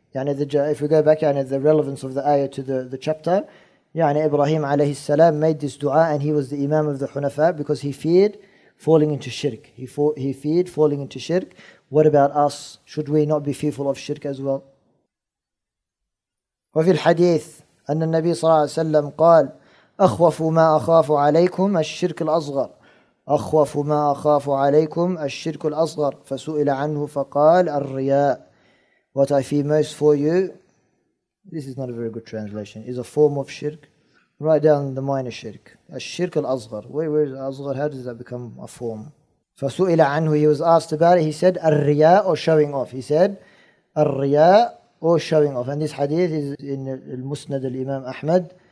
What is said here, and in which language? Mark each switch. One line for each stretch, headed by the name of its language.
English: Yani if we go back, yani the relevance of the ayah to the chapter, يعني إبراهيم عليه السلام made this dua and he was the Imam of the Hunafa because he feared falling into shirk. He feared falling into shirk. What about us? Should we not be fearful of shirk as well?
Arabic: وفي الحديث أن النبي صلى الله عليه وسلم قال أخوف ما أخاف عليكم الشرك الأصغر أخوف ما أخاف عليكم الشرك الأصغر فسئل عنه فقال الرياء.
English: What I fear most for you, this is not a very good translation, is a form of shirk. Write down the minor shirk. Al-shirk al-azghar. Where is al-azghar? How does that become a form?
Arabic: فَسُئِلَ عَنْهُ
English: He was asked about it. He said, الرياء or showing off. He said, الرياء or showing off. And this hadith is in al-Musnad al-Imam Ahmad.